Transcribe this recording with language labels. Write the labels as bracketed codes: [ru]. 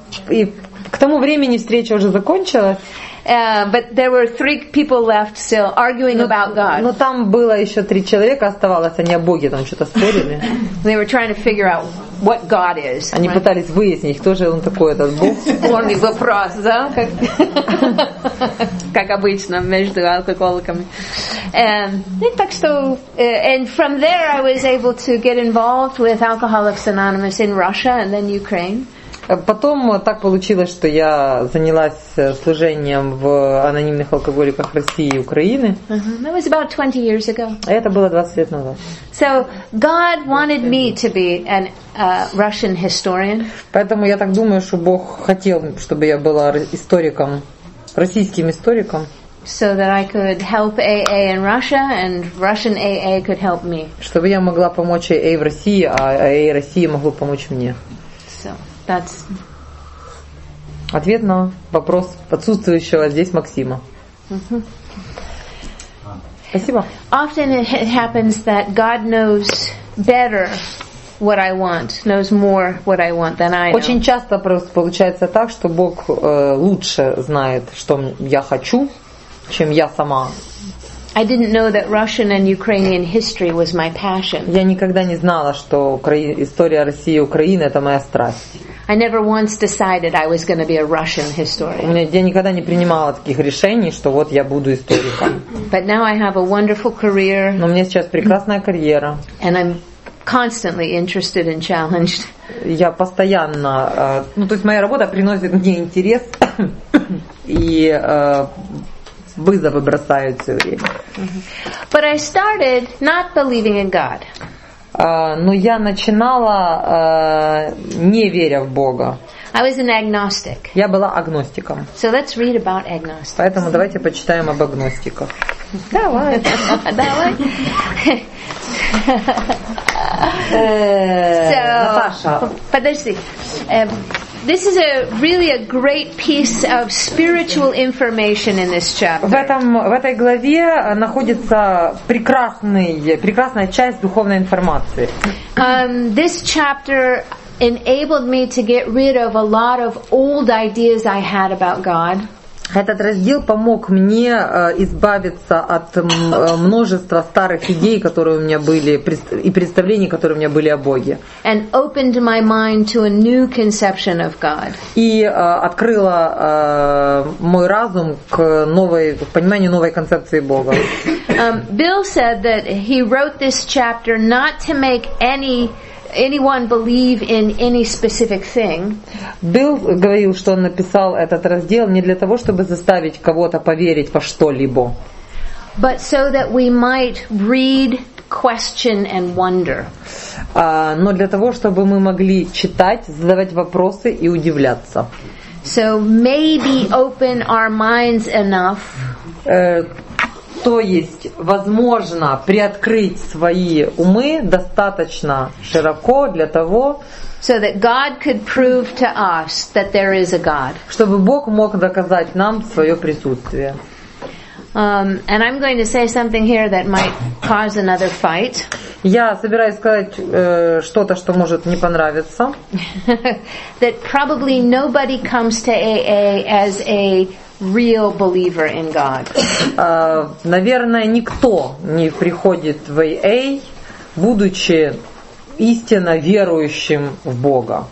[ru] И к тому времени встреча уже закончилась. [en] But there were three people left still arguing about God. [ru] Но там было еще три человека оставалось, они о Боге там что-то спорили. [en] They were trying to figure out what God is. [ru] Они [en] right? [ru] пытались выяснить, кто же он такой этот Бог. Спорный вопрос, да? Как обычно между алкоголиками. Так что, [en] and from there I was able to get involved with Alcoholics Anonymous in Russia and then Ukraine. [ru] Потом так получилось, что я занялась служением в анонимных алкоголиках России и Украины. [en] Uh-huh. That was about 20 years ago. [ru] Это было 20 лет назад. [en] So God wanted me to be an Russian historian. [ru] Поэтому я так думаю, что Бог хотел, чтобы я была историком, российским историком. [en] So that I could help AA in Russia and Russian AA could help me. [ru] Чтобы я могла помочь AA в России, а AA России могло помочь мне. [en] So. That's... [ru] Ответ на вопрос отсутствующего здесь Максима. Mm-hmm. Спасибо. [en] Often it happens that God knows better what I want, knows more what I want than I know. [ru] Очень часто просто получается так, что Бог лучше знает, что я хочу, чем я сама. [en] I didn't know that Russian and Ukrainian history was my passion. [ru] Я никогда не знала, что история России и Украины это моя страсть. [en] I never once decided I was going to be a Russian historian. [ru] Я никогда не принимала таких решений, что вот я буду историком. [en] But now I have a wonderful career. [ru] Но у меня сейчас прекрасная карьера. [en] And I'm constantly interested and challenged. [ru] Я постоянно, ну то есть моя работа приносит мне интерес и вызовы бросают все время. [en] But I started not believing in God. [ru] Но я начинала, не веря в Бога. [en] I was an agnostic. [ru] Я была агностиком. [en] So let's read about agnostics. [ru] Поэтому давайте почитаем об агностиках. Давай. Давай. Наташа. Подожди. [en] This is a really a great piece of spiritual information in this chapter. [ru] В этой главе находится прекрасная часть духовной информации. [en] This chapter enabled me to get rid of a lot of old ideas I had about God. [ru] Этот раздел помог мне избавиться от множества старых идей, которые у меня были, и представлений, которые у меня были о Боге. [en] And opened my mind to a new conception of God. [ru] И открыла мой разум к пониманию новой концепции Бога. [en] Bill said that he wrote this chapter not to make anyone believe in any specific thing. [ru] Билл говорил, что он написал этот раздел не для того, чтобы заставить кого-то поверить во что-либо. [en] But so that we might read, question and wonder. [ru] Но для того, чтобы мы могли читать, задавать вопросы и удивляться. [en] So maybe open our minds enough. [ru] То есть, возможно, приоткрыть свои умы достаточно широко для того, [en] so that God could prove to us that there is a God. [ru] Чтобы Бог мог доказать нам свое присутствие. [en] And I'm going to say something here that might cause another fight. [ru] Я собираюсь сказать что-то, что может не понравиться. [en] That probably nobody comes to AA as a real believer in God. [ru] Наверное, никто не приходит в AA, будучи истинно верующим в Бога.